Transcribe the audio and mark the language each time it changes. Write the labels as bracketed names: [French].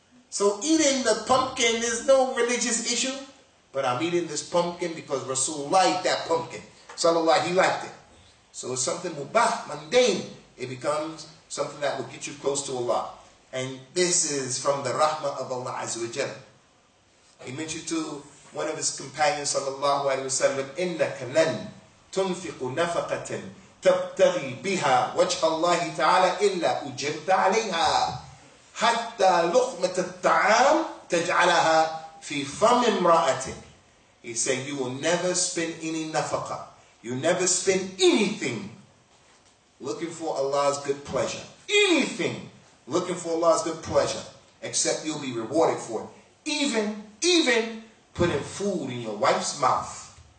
[English] So eating the pumpkin is no religious issue, but I'm eating this pumpkin because Rasulullah ate that pumpkin. Sallallahu, he liked it. So it's something mubah, mundane. It becomes something that will get you close to Allah. And this is from the rahmah of Allah Azza wa Jalla. He mentioned to one of his companions, [Arabic] sallallahu alayhi wa sallam, إِنَّكَ لَنْ تُنْفِقُ نَفَقَةً تَبْتَغِي بِهَا وَجْهَ اللَّهِ تَعَالَى إِلَّا أُجِرْتَ عَلَيْهَا حَتَّى لُخْمَةَ الطَّعَامِ تَجْعَلَهَا فِي فَمِ امْرَأَةٍ. [English] He said, you will never spend any nafaqah. You never spend anything looking for Allah's good pleasure. Anything looking for Allah's good pleasure, except you'll be rewarded for it. Even putting food in your wife's mouth.